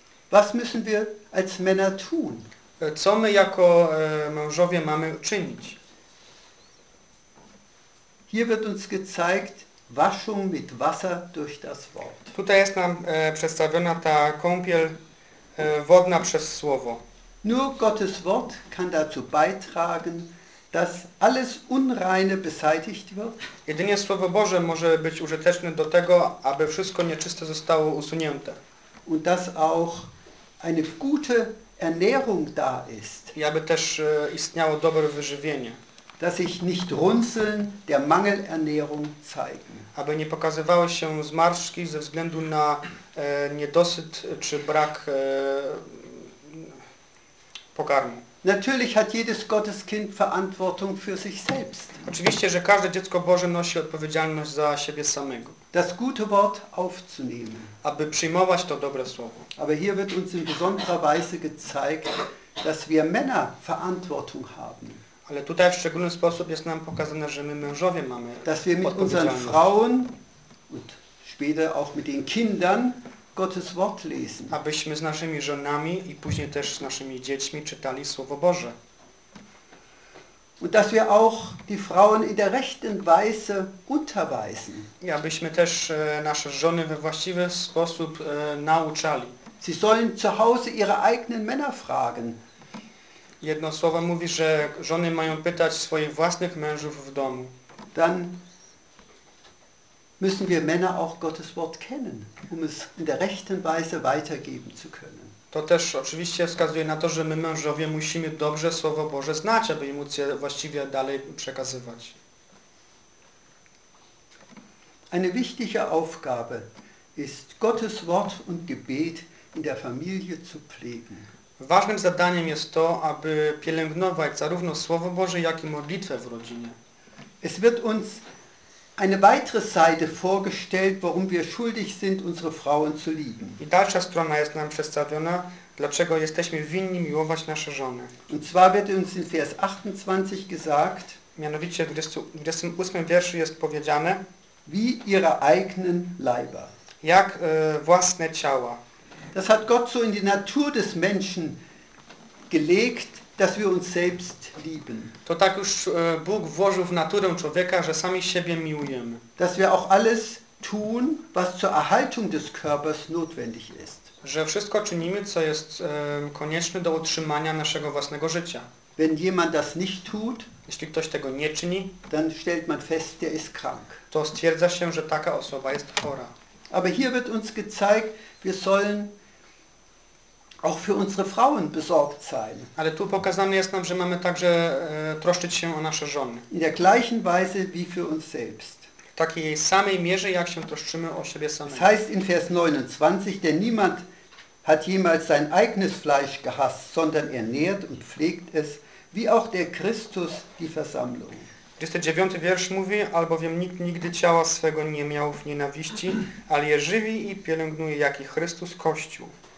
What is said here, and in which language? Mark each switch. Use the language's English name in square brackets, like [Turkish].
[German] Was müssen wir als Männer tun? [Polish] Co my jako mężowie mamy czynić? [German] Hier wird uns gezeigt Waschung mit Wasser durch das Wort. [Polish] Tutaj jest nam przedstawiona ta kąpiel wodna przez słowo. [German] Nur Gottes Wort kann dazu beitragen, dass alles Unreine beseitigt wird. [Polish] Jedynie Słowo Boże może być użyteczne do tego, aby wszystko nieczyste zostało usunięte. [German] Und dass auch eine gute Ernährung da ist. [Polish] I aby też istniało dobre wyżywienie. [German] Dass sich nicht Runzeln der Mangelernährung zeigen. [Polish] Aby nie pokazywały się zmarszczki ze względu na niedosyt czy brak pokarmu. [German] Natürlich hat jedes Gotteskind Verantwortung für sich selbst. [Polish] Oczywiście, że każde dziecko Boże nosi odpowiedzialność za siebie samego. [German] Das gute Wort aufzunehmen. [Polish] Aby przyjmować to dobre słowo. [German] Aber hier wird uns in besonderer Weise gezeigt, dass wir Männer Verantwortung haben. [Polish] Ale tutaj w szczególny sposób jest nam pokazane, że my mężowie mamy odpowiedzialność. [German] Dass wir mit unseren Frauen und später auch mit den Kindern Gottes Wort lesen. [Polish] Abyśmy z naszymi żonami i później też z naszymi dziećmi czytali Słowo Boże. [German] Und dass wir auch die Frauen in der rechten Weise unterweisen. [Polish] Ja, byśmy też nasze żony we właściwy sposób nauczali. [German] Sie sollen zu Hause ihre eigenen Männer fragen. [Polish] Jedno słowo mówi, że żony mają pytać swoich własnych mężów w domu. [German] Dann müssen wir Männer auch Gottes Wort kennen, um es in der rechten Weise weitergeben zu können. [Polish] To też oczywiście wskazuje na to, że my mężowie musimy dobrze Słowo Boże znać, aby móc je właściwie dalej przekazywać. [German] Eine wichtige Aufgabe ist Gottes Wort und Gebet in der Familie zu pflegen. [Polish] Ważnym zadaniem jest to, aby pielęgnować zarówno Słowo Boże, jak i modlitwę w rodzinie. [German] Es wird uns eine weitere Seite vorgestellt, warum wir schuldig sind, unsere Frauen zu lieben. [Polish] I dalsza strona jest nam przedstawiona, dlaczego jesteśmy winni miłować nasze żony. [German] Und zwar wird uns in Vers 28 gesagt, [Polish] mianowicie w 28 wierszu jest powiedziane, [German] wie ihre eigenen Leiber. [Polish] Jak własne ciała. [German] Das hat Gott so in die Natur des Menschen gelegt, dass wir uns selbst lieben. [Polish] To tak już Bóg włożył w naturę człowieka, że sami siebie miłujemy. [German] Dass wir auch alles tun, was zur Erhaltung des Körpers notwendig ist. [Polish] Że wszystko czynimy, co jest konieczne do utrzymania naszego własnego życia. [German] Wenn jemand das nicht tut, [Polish] jeśli ktoś tego nie czyni, [German] dann stellt man fest, der ist krank. [Polish] To stwierdza się, że taka osoba jest chora. [German] Aber hier wird uns gezeigt, wir sollen auch für unsere Frauen besorgt sein. [Polish] Ale tu pokazane jest nam, że mamy także troszczyć się o nasze żony. [German] In der gleichen Weise wie für uns selbst. [Polish] W takiej samej mierze, jak się troszczymy o siebie samych. [German] Das heißt in Vers 29, denn niemand hat jemals sein eigenes Fleisch gehasst, sondern ernährt und pflegt es, wie auch der Christus die Versammlung. [Polish] 29 wiersz mówi, albowiem nikt nigdy ciała swego nie miał w nienawiści, ale je żywi i pielęgnuje, jak i Chrystus Kościół.